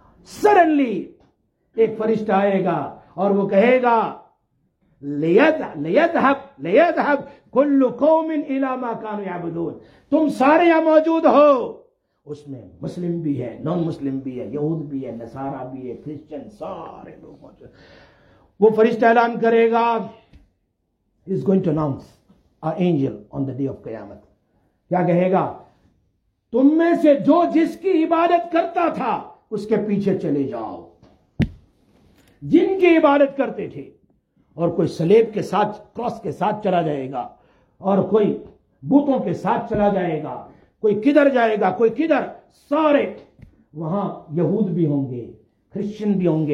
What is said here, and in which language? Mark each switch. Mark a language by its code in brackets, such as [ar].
[ur] Suddenly ایک فرشتہ آئے گا اور وہ کہے گا [ar] لیذهب كل قوم الى ما كانوا يعبدون. [ur] تم سارے یہاں موجود ہو، اس میں مسلم بھی ہے، نان مسلم بھی ہے، یہود بھی ہے، نصارہ بھی ہے، کرسچن، سارے لوگ موجود. وہ فرشتہ اعلان کرے گا، [en] he is going to announce an angel on the day of [ur] قیامت. کیا کہے گا؟ تم میں سے جو جس کی عبادت کرتا تھا اس کے پیچھے چلے جاؤ. جن کی عبادت کرتے تھے اور کوئی سلیب کے ساتھ، کراس کے ساتھ چلا جائے گا، اور کوئی بوتوں کے ساتھ چلا جائے گا، کوئی کدھر جائے گا، کوئی کدھر، سارے وہاں یہود بھی ہوں گے، کرسچن بھی ہوں گے.